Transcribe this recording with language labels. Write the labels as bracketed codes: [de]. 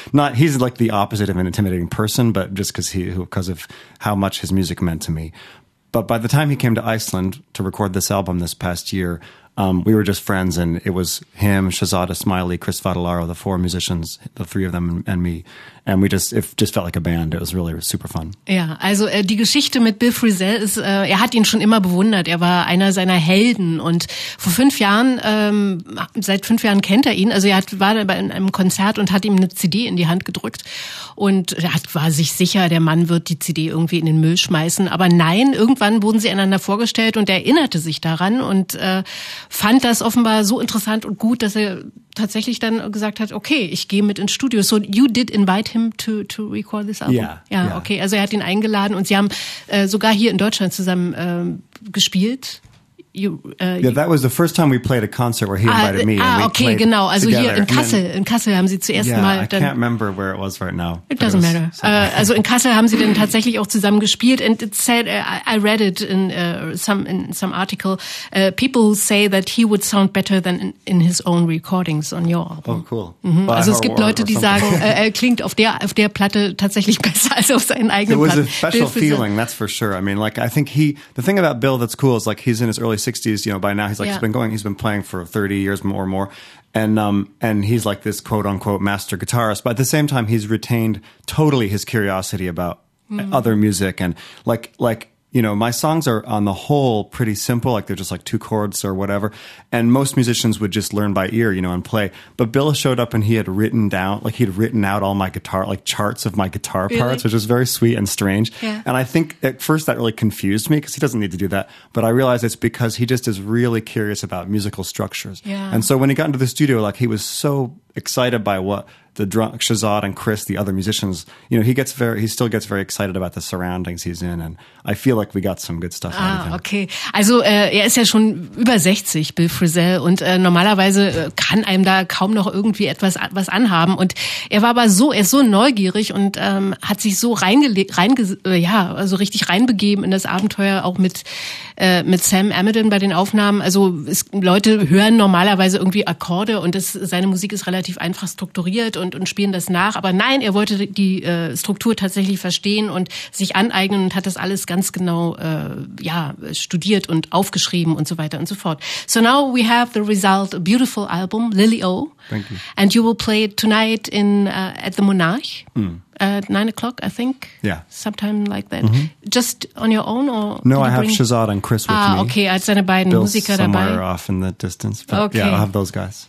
[en] Not he's like the opposite of an intimidating person, but just because of how much his music meant to me. But by the time he came to Iceland to record this album this past year, we were just friends, and it was him, Shahzada Smiley, Chris Vadalaro, the four musicians, the three of them and me. And we just felt like a band. It was really super fun. [de] Ja, also die Geschichte mit Bill Frisell ist, er hat ihn schon immer bewundert. Er war einer seiner Helden. Und vor 5 Jahren, seit 5 Jahren kennt er ihn. Also war dabei in einem Konzert und hat ihm eine CD in die Hand gedrückt. Und war sich sicher, der Mann wird die CD irgendwie in den Müll schmeißen. Aber nein, irgendwann wurden sie einander vorgestellt und er erinnerte sich daran und fand das offenbar so interessant und gut, dass er tatsächlich dann gesagt hat, okay, ich gehe mit ins Studio. [en] So you did invite him to record this album? [de] Ja. Okay, also er hat ihn eingeladen und sie haben sogar hier in Deutschland zusammen gespielt. [en] That was the first time we played a concert where he invited me. [de] Genau. Also together. Hier in Kassel. In Kassel haben sie zuerst mal... [en] Yeah, I can't remember where it was right now. It doesn't matter. [de] Also in Kassel haben sie dann tatsächlich auch zusammen gespielt. [en] And it said, I read it in some article, people say that he would sound better than in his own recordings on your album. Oh, cool. Mm-hmm. [de] Also es gibt Leute, die sagen, er klingt auf der Platte tatsächlich besser als auf seinen eigenen Platten. [en] It was a special feeling, that's for sure. I mean, like, I think the thing about Bill that's cool is, like, he's in his early 60s, you know, by now he's been playing for 30 years more, and he's like this quote unquote master guitarist, but at the same time he's retained totally his curiosity about other music, and like you know, my songs are on the whole pretty simple, like they're just like two chords or whatever, and most musicians would just learn by ear, you know, and play. But Bill showed up and he'd written out all my guitar, like charts of my guitar parts, really? Which was very sweet and strange. Yeah. And I think at first that really confused me because he doesn't need to do that. But I realized it's because he just is really curious about musical structures. Yeah. And so when he got into the studio, like he was so excited by what the drum, Shahzad and Chris, the other musicians, you know, he still gets very excited about the surroundings he's in, and I feel like we got some good stuff out of him. Okay. [de] Also, er ist ja schon über 60, Bill Frisell, und normalerweise kann einem da kaum noch irgendwie etwas was anhaben, und er war aber so neugierig und hat sich so richtig reinbegeben in das Abenteuer, auch mit Sam Amidon bei den Aufnahmen. Also, Leute hören normalerweise irgendwie Akkorde und seine Musik ist relativ einfach strukturiert und spielen das nach. Aber nein, er wollte die Struktur tatsächlich verstehen und sich aneignen und hat das alles ganz genau studiert und aufgeschrieben und so weiter und so fort. [en] So now we have the result, a beautiful album, Lily O. Thank you. And you will play it tonight in at the Monarch. Mm. At 9 o'clock, I think. Yeah. Sometime like that. Mm-hmm. Just on your own or? No, I have Shahzad and Chris with me. [de] Ah, okay. Als seine beiden Bill Musiker dabei. [en] Bill's somewhere off in the distance. But okay. Yeah, I'll have those guys.